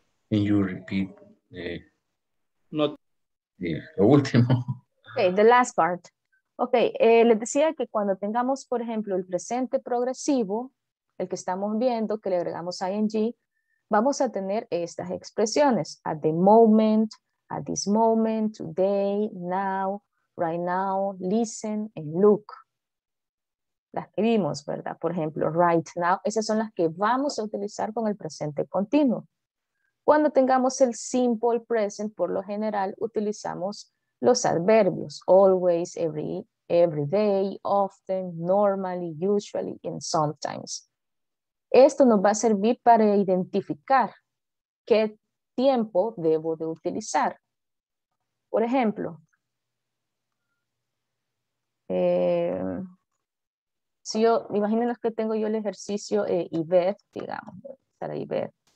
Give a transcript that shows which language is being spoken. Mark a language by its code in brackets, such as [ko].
[en] Can you repeat the, not, the último? Okay, the last part. [es] Okay, les decía que cuando tengamos, por ejemplo, el presente progresivo, el que estamos viendo, que le agregamos ing, vamos a tener estas expresiones. [en] At the moment, at this moment, today, now, right now, listen, and look. [es] Las que vimos, ¿verdad? Por ejemplo, [en] right now. [es] Esas son las que vamos a utilizar con el presente continuo. Cuando tengamos el simple present, por lo general, utilizamos los adverbios. [en] Always, every day, often, normally, usually, and sometimes. [es] Esto nos va a servir para identificar qué tiempo debo de utilizar. Por ejemplo, si yo, imagínense que tengo yo el ejercicio Ivette, digamos, para Ivette.